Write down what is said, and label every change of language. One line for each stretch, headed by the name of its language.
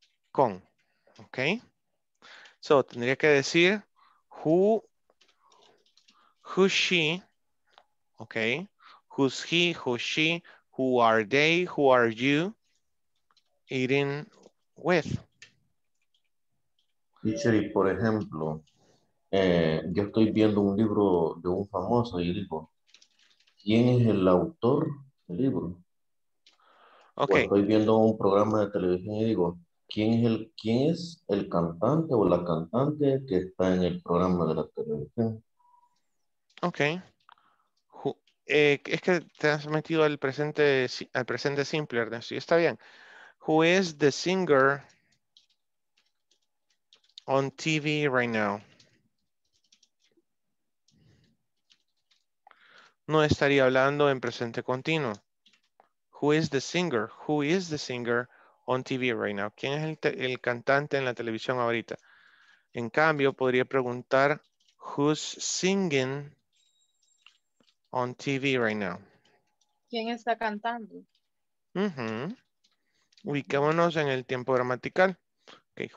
Spanish: Con, ¿ok? So, tendría que decir
English: who she,
Spanish: ¿ok?
English: Who's he, who's she, who are they, who are you eating with.
Spanish: Teacher, y por ejemplo, yo estoy viendo un libro de un famoso y digo, ¿quién es el autor del libro?
English: Okay.
Spanish: O estoy viendo un programa de televisión y digo, ¿quién es el cantante o la cantante que está en el programa de la televisión?
English: Ok.
Spanish: Es que te has metido al presente simple, Ernesto, y está bien.
English: Who is the singer on TV right now?
Spanish: No estaría hablando en presente continuo.
English: Who is the singer? Who is the singer on TV right now?
Spanish: ¿Quién es el cantante en la televisión ahorita? En cambio, podría preguntar
English: who's singing on TV right now?
Spanish: ¿Quién está cantando? Uh-huh. Ubiquémonos en el tiempo gramatical. Okay.